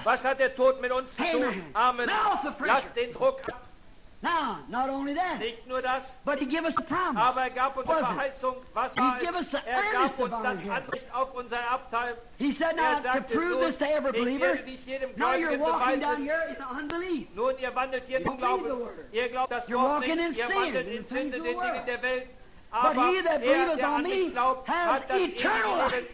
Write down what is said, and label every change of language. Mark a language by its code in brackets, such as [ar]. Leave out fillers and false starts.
[de] Was hat der Tod mit uns zu tun? Amen. Lass den Druck ab. [en] Now, not only that, [de] nicht nur das, [en] but he gave us a promise. [de] Aber er gab uns eine Verheißung. Was war es? Er gab uns das Anrecht auf unser Erbteil. [en] He said, now, to prove this to every believer, now you're walking down here in unbelief. [de] Nun, ihr wandelt hier in Unglauben. Ihr glaubt das Wort nicht. Ihr wandelt in Sünde, den Dingen der Welt. [en] But he that believeth on me has eternal life.